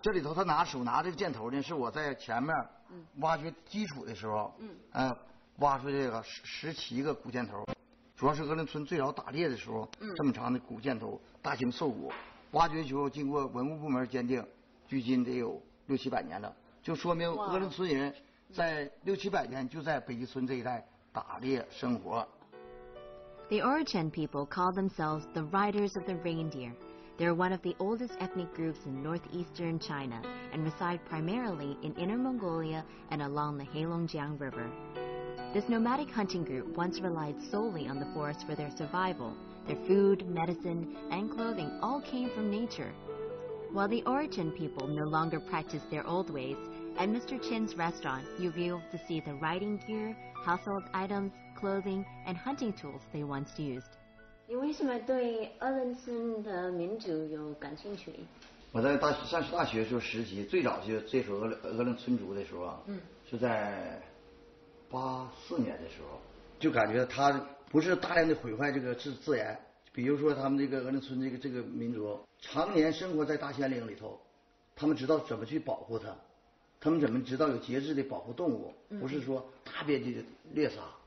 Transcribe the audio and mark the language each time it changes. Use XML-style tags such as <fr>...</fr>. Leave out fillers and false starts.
<zh>这里头他拿手拿这个箭头呢，是我在前面挖掘基础的时候，挖出这个17个古箭头，主要是鄂楞村最早打猎的时候，这么长的古箭头，大型兽骨，挖掘时候经过文物部门鉴定，距今得有600-700年了，就说明鄂楞村人在600-700年就在北极村这一带打猎生活。</zh> <en>The Orichan people call themselves the Riders of the Reindeer. They're one of the oldest ethnic groups in northeastern China and reside primarily in Inner Mongolia and along the Heilongjiang River. This nomadic hunting group once relied solely on the forest for their survival. Their food, medicine, and clothing all came from nature. While the Orichan people no longer practice their old ways, at Mr. Chin's restaurant, you'll be able to see the riding gear, household items,clothing and hunting tools they once used.</en> <zh>你为什么对鄂楞村的民族有感兴趣？我在大学时候实习，最早就接触鄂楞村族的时候，是在84年的时候，就感觉他不是大量的毁坏这个自然，比如说他们这个鄂楞村这个民族常年生活在大森林里头，他们知道怎么去保护它，他们怎么知道有节制的保护动物，不是说大面积的猎杀。</zh>